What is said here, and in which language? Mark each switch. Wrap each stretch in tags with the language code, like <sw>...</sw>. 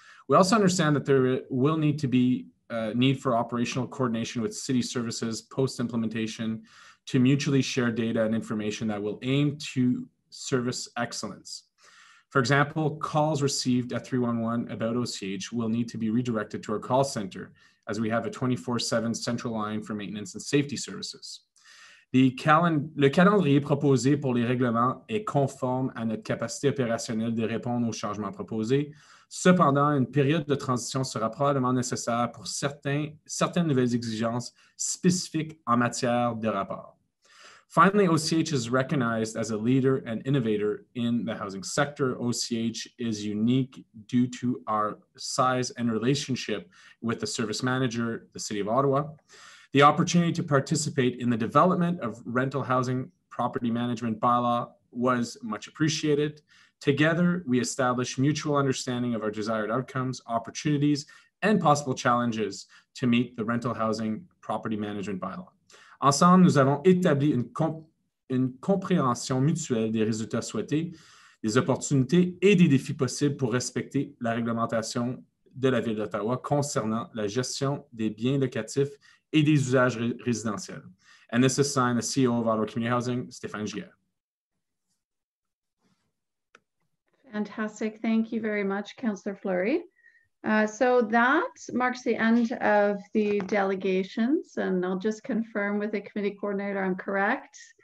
<en>We also understand that there will need to be a need for operational coordination with city services post-implementation to mutually share data and information that will aim to service excellence. For example, calls received at 311 about OCH will need to be redirected to our call center, as we have a 24/7 central line for maintenance and safety services.</en> <fr>Le calendrier proposé pour les règlements est conforme à notre capacité opérationnelle de répondre aux changements proposés. Cependant, une période de transition sera probablement nécessaire pour certaines nouvelles exigences spécifiques en matière de rapport.</fr> <en>Finally, OCH is recognized as a leader and innovator in the housing sector. OCH is unique due to our size and relationship with the service manager, the City of Ottawa. The opportunity to participate in the development of rental housing property management bylaw was much appreciated. Together, we established mutual understanding of our desired outcomes, opportunities, and possible challenges to meet the rental housing property management bylaw.</en> <fr>Ensemble, nous avons établi une compréhension mutuelle des résultats souhaités, des opportunités et des défis possibles pour respecter la réglementation de la Ville d'Ottawa concernant la gestion des biens locatifs et des usages résidentiels.</fr> <en>And this is signed the CEO of Ottawa Community Housing, Stéphane Giguère. Fantastic. Thank you very much, Councillor Fleury. So that marks the end of the delegations, and I'll just confirm with the committee coordinator I'm correct.</en>